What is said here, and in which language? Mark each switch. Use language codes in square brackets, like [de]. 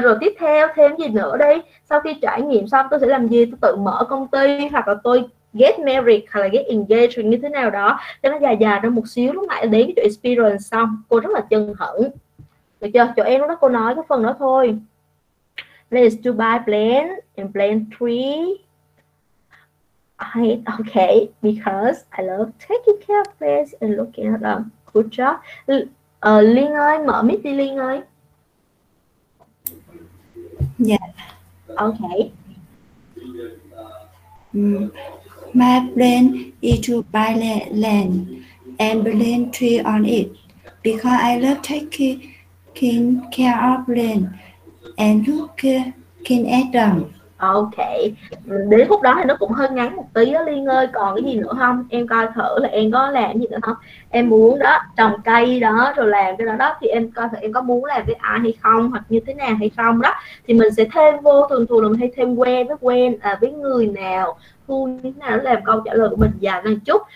[vi] Rồi tiếp theo thêm gì nữa đây? Sau khi trải nghiệm xong tôi sẽ làm gì? Tôi tự mở công ty hoặc là tôi [en] get married [vi] hoặc là [en] get engaged [vi] như thế nào đó. Cho nó dài dài ra một xíu, lúc lại đến cái chỗ experience xong. Cô rất là chân hẳn. Được chưa? Chỗ em đó cô nói cái phần đó thôi. [en] Place to buy plant and plant tree. I okay because I love taking care of plants and looking at them. Good job. [vi] Linh ơi, mở mic đi Linh ơi. [en] Yeah. Okay. My plan is to buy land and plant tree on it because I love taking care of plants and looking at them. [vi] Ok, đến khúc đó thì nó cũng hơi ngắn một tí á Liên ơi, còn cái gì nữa không? Em coi thử là em có làm gì nữa không? Em muốn đó, trồng cây đó, rồi làm cái đó đó, thì em coi thử em có muốn làm với ai hay không, hoặc như thế nào hay không đó. Thì mình sẽ thêm vô, thường thường là mình hay thêm quen à, với người nào, thu như thế nào, làm câu trả lời của mình dài hơn chút.